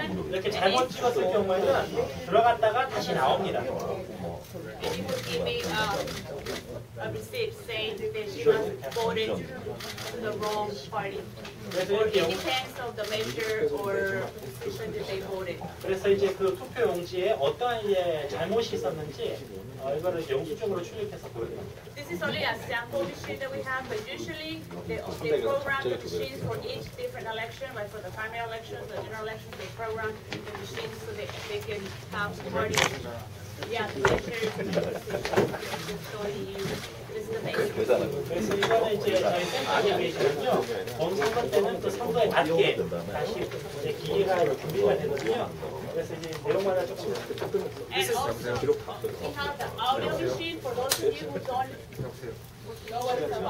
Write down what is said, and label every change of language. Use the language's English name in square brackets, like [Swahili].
[Korean] 이렇게 잘못 찍었을 경우에는 들어갔다가 다시 나옵니다. [English] And it would give me a receipt saying that she has voted to the wrong party. Or it depends on the measure or decision that they voted. [Korean] 그래서 이제 그 투표 용지에 어떤 이제 잘못이 있었는지 이거를 영수증으로 출력해서 보여드립니다. [English] This is only a sample machine that we have, but usually they program the machines for each different election, like for the primary elections, the general elections, they program the machines so that they can have the party. Yeah, the measure is showing you. This is the measure. [Korean] 그래서 이거는 이제 저희 센터에 계시면요. 본 선거 때는 또 선거에 맞게 다시 이제 기계가 준비가 되거든요. 그래서 이제 내용마다 조금. [English] And also, we have the audio machine for those of you who don't.